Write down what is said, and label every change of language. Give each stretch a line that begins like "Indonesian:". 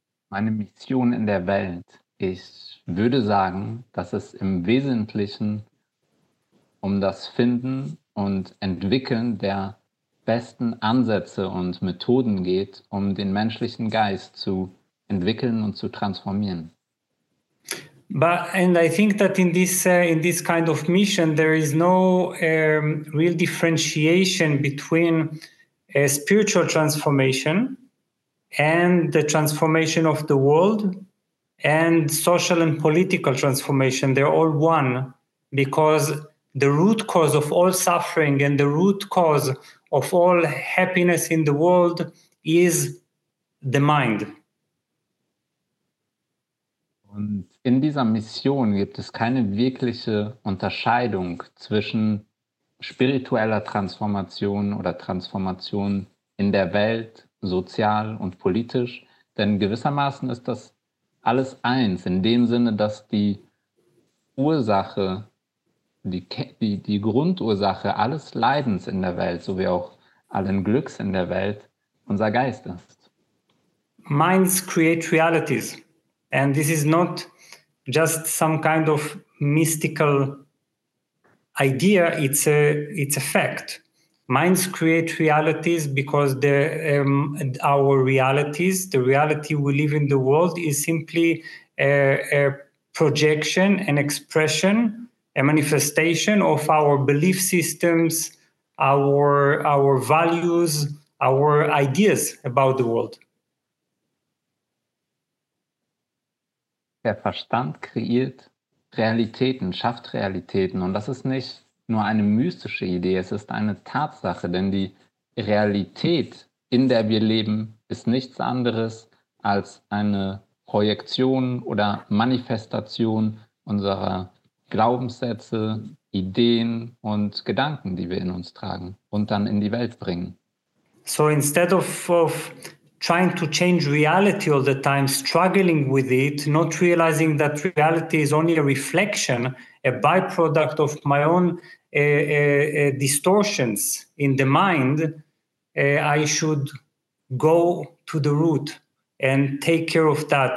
German: Meine Mission in der Welt, ich würde sagen, dass es im Wesentlichen um das Finden und Entwickeln der besten Ansätze und Methoden geht, um den menschlichen Geist zu entwickeln und zu transformieren.
English: And I think that in this kind of mission, there is no real differentiation between a spiritual transformation and the transformation of the world and social and political transformation. They're all one, because the root cause of all suffering and the root cause of all happiness in the world is the mind.
German: Und in dieser Mission gibt es keine wirkliche Unterscheidung zwischen spiritueller Transformation oder Transformation in der Welt, sozial und politisch. Denn gewissermaßen ist das alles eins, in dem Sinne, dass die Ursache, die Grundursache alles Leidens in der Welt, so wie auch allen Glücks in der Welt, unser Geist ist.
English: Minds create realities. And this is not just some kind of mystical idea, it's a fact. Minds create realities because our realities, the reality we live in the world, is simply a projection, an expression, a manifestation of our belief systems, our values, our ideas about the world.
German: Der Verstand kreiert Realitäten, schafft Realitäten, und das ist nicht nur eine mystische Idee, es ist eine Tatsache, denn die Realität, in der wir leben, ist nichts anderes als eine Projektion oder Manifestation unserer Glaubenssätze, Ideen und Gedanken, die wir in uns tragen und dann in die Welt bringen.
English: So instead of trying to change reality all the time, struggling with it, not realizing that reality is only a reflection, a byproduct of my own distortions in the mind, I should go to the root and take care of that.